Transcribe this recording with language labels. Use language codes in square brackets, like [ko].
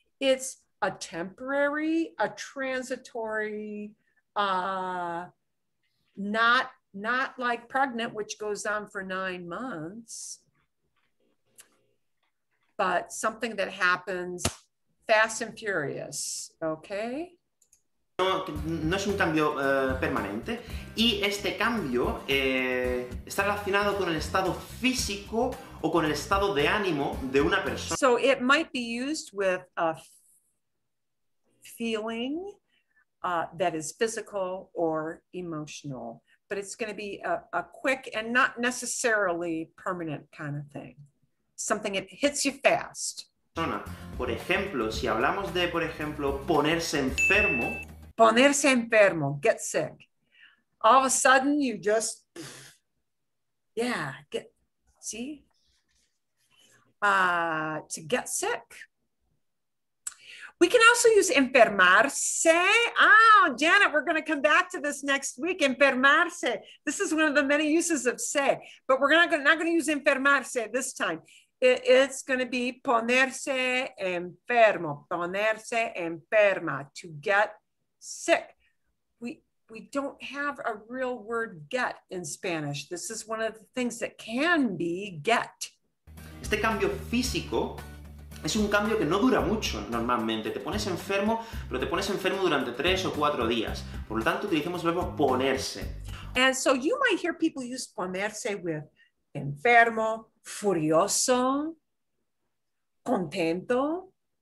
[en] It's a temporary, a transitory, not like pregnant, which goes on for 9 months, but something that happens fast and furious. Okay. [es] No es un cambio permanente y este cambio está relacionado con el estado físico o con el estado de ánimo de una persona. [en] So it might be used with a feeling that is physical or emotional, but it's going to be a quick and not necessarily permanent kind of thing. Something that hits you fast. [es] Por ejemplo, si hablamos de, por ejemplo, ponerse enfermo. Ponerse enfermo, [en] get sick. All of a sudden you just, to get sick. We can also use enfermarse. Oh, Janet, we're going to come back to this next week. Enfermarse. This is one of the many uses of se, but we're not going to use enfermarse this time. [es] It's going to be ponerse enfermo, ponerse enferma, [en] to get sick. We don't have a real word get in Spanish. This is one of the things that can be get. [es] Este cambio físico es un cambio que no dura mucho normalmente. Te pones enfermo, pero te pones enfermo durante 3 o 4 días. Por lo tanto, utilizamos el verbo ponerse. [en] And so you might hear people use ponerse with enfermo, furioso, contento.